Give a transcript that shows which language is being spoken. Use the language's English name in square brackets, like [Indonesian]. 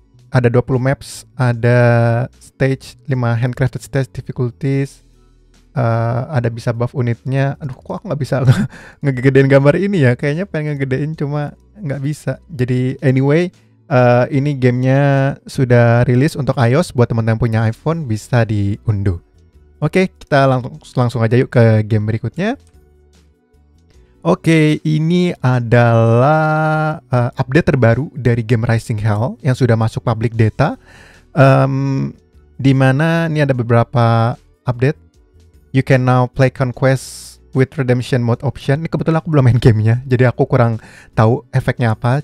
[Indonesian] Ada 20 maps, ada stage 5 [English] handcrafted stage difficulties. [Indonesian] Ada bisa buff unitnya. Aduh, kok aku enggak bisa ngegedein gambar ini ya? Kayaknya pengen ngegedein cuma enggak bisa. Jadi anyway, ini gamenya sudah rilis untuk iOS, buat teman-teman punya iPhone bisa diunduh. Oke, kita langsung aja yuk ke game berikutnya. Oke, ini adalah update terbaru dari game Rising Hell yang sudah masuk public data. Di mana ini ada beberapa update. [English] You can now play Conquest with Redemption Mode option. [Indonesian] Ini kebetulan aku belum main gamenya, jadi aku kurang tahu efeknya apa.